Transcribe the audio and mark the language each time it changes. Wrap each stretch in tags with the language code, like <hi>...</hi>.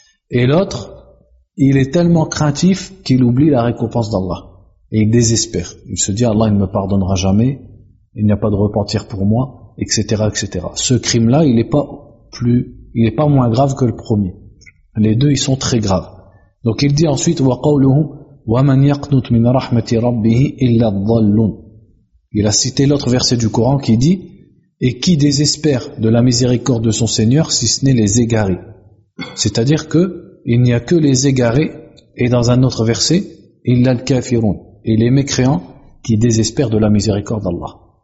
<fr>Et l'autre, il est tellement craintif qu'il oublie la récompense d'Allah. Et il désespère. Il se dit: Allah, il ne me pardonnera jamais, il n'y a pas de repentir pour moi, etc., etc. Ce crime-là, il n'est pas moins grave que le premier. Les deux, ils sont très graves. Donc il dit ensuite:</fr> <ar>وَقَوْلُهُ وَمَنْ يَقْنُتْ مِنْ رَحْمَةِ رَبِّهِ إِلَّا الظَّلُّونَ.</ar> <fr>Il a cité l'autre verset du Coran qui dit: et qui désespère de la miséricorde de son Seigneur si ce n'est les égarés. C'est-à-dire que il n'y a que les égarés, et dans un autre verset,</fr> <ar>إِلَّا الْكَافِرُونَ,</ar> <fr>et les mécréants qui désespèrent de la miséricorde d'Allah.</fr>